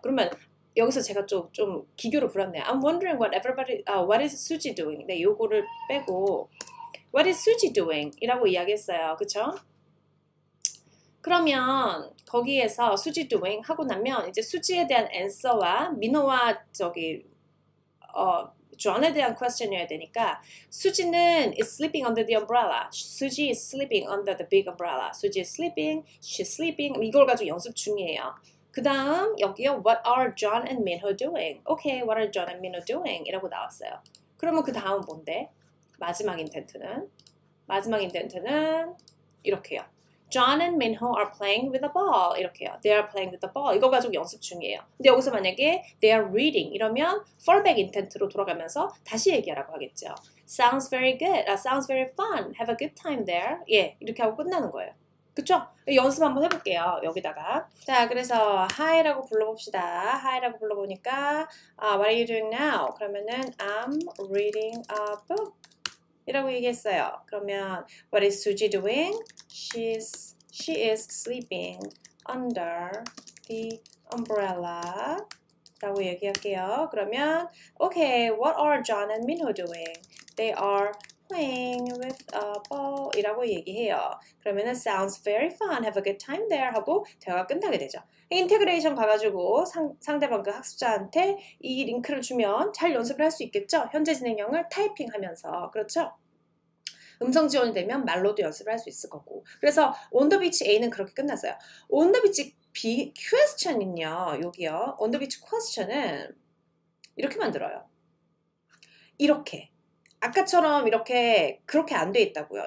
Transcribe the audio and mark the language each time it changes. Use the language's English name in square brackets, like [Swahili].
[Korean] 그러면 여기서 제가 좀 기교를 부렸네요. [English] I'm wondering what everybody what is Suji doing? [Korean] 네, 요거를 빼고 [English] What is Suji doing? [Korean] 이라고 이야기했어요. 그쵸? 그러면 거기에서 Suji doing 하고 나면 이제 수지에 대한 answer와 민호와 저기 존에 대한 question이어야 되니까 수지는 [English] is sleeping under the umbrella. Suji is sleeping under the big umbrella. Suji is sleeping. She's sleeping. [Korean] 이걸 가지고 연습 중이에요. 그다음 여기요. [English] What are John and Minho doing? Okay, what are John and Minho doing? [Korean] 이라고 나왔어요. 그러면 그 다음 뭔데? 마지막 인텐트는? 마지막 인텐트는 이렇게요. [English] John and Minho are playing with a ball. [Korean] 이렇게요. [English] They are playing with a ball. [Korean] 이거 가지고 연습 중이에요. 근데 여기서 만약에 [English] they are reading [Korean] 이러면 fallback 인텐트로 돌아가면서 다시 얘기하라고 하겠죠. [English] Sounds very good. Sounds very fun. Have a good time there. [Korean] 예, 이렇게 하고 끝나는 거예요. 그쵸? 연습 한번 해볼게요. 여기다가. 자, 그래서 Hi라고 불러봅시다. Hi라고 불러보니까 [English] What are you doing now? 그러면은 I'm reading a book. [Korean] 이라고 얘기했어요. [English] 그러면 What is Suji doing? She is sleeping under the umbrella. [Korean] 라고 얘기할게요. [English] 그러면 Okay, what are John and Minho doing? They are playing with a ball. [Korean] 이라고 얘기해요. [English] 그러면 Sounds very fun. Have a good time there. [Korean] 하고 대화가 끝나게 되죠. 인테그레이션 가가지고 상대방 그 학습자한테 이 링크를 주면 잘 연습을 할 수 있겠죠? 현재 진행형을 타이핑하면서. 그렇죠? 음성 지원이 되면 말로도 연습을 할 수 있을 거고. 그래서 On the Beach A는 그렇게 끝났어요. On the Beach B Question은요. 여기요. On the Beach Question은 이렇게 만들어요. 이렇게. 아까처럼 이렇게 그렇게 안 돼 있다고요.